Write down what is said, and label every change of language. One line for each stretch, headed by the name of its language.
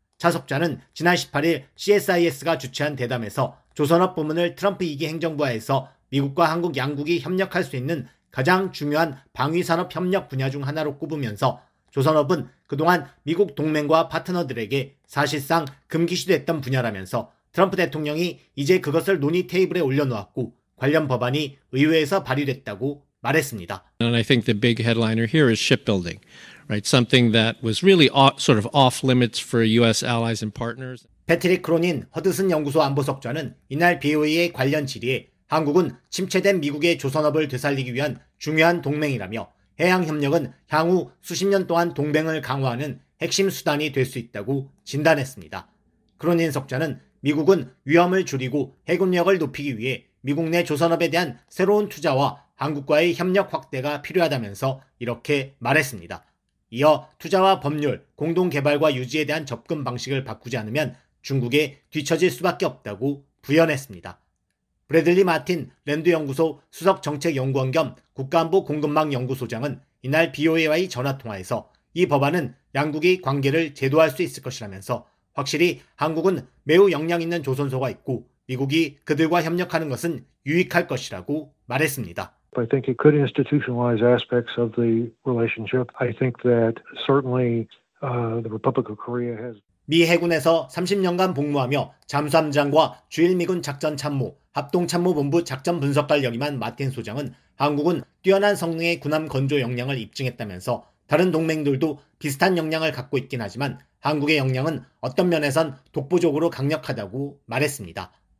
Korean: 차 석좌는 지난 18일 CSIS가 주최한 대담에서 조선업 부문을 트럼프 2기 행정부하에서 미국과 한국 양국이 협력할 수 있는 가장 중요한 방위산업 협력 분야 중 하나로 꼽으면서 조선업은 그동안 미국 동맹과 파트너들에게 사실상 금기시됐던 분야라면서 트럼프 대통령이 이제 그것을 논의 테이블에 올려놓았고 관련 법안이 의회에서 발의됐다고 말했습니다.
English: And I think the big headliner here is shipbuilding. Right, something that was really sort of off limits for US allies and partners.
Korean: 패트릭 크로닌 허드슨 연구소 안보석좌는 이날 BOE의 관련 질의에 한국은 침체된 미국의 조선업을 되살리기 위한 중요한 동맹이라며 해양협력은 향후 수십 년 동안 동맹을 강화하는 핵심 수단이 될 수 있다고 진단했습니다. 크로닌 석좌는 미국은 위험을 줄이고 해군력을 높이기 위해 미국 내 조선업에 대한 새로운 투자와 한국과의 협력 확대가 필요하다면서 이렇게 말했습니다. 이어 투자와 법률, 공동개발과 유지에 대한 접근 방식을 바꾸지 않으면 중국에 뒤처질 수밖에 없다고 부연했습니다. 브래들리 마틴 랜드연구소 수석정책연구원 겸 국가안보 공급망연구소장은 이날 BOA와의 전화통화에서 이 법안은 양국이 관계를 제도할 수 있을 것이라면서 확실히 한국은 매우 역량 있는 조선소가 있고 미국이 그들과 협력하는 것은 유익할 것이라고 말했습니다.
English: I think it could institutionalize aspects of the relationship. I think that certainly the Republic of Korea has
Korean: 미 해군에서 30년간 복무하며 잠수함장과 주일미군 작전참모, 합동참모본부 작전분석관 역임한 마틴 소장은 한국은 뛰어난 성능의 군함 건조 역량을 입증했다면서 다른 동맹들도 비슷한 역량을 갖고 있긴 하지만 한국의 역량은 어떤 면에선 독보적으로 강력하다고 말했습니다.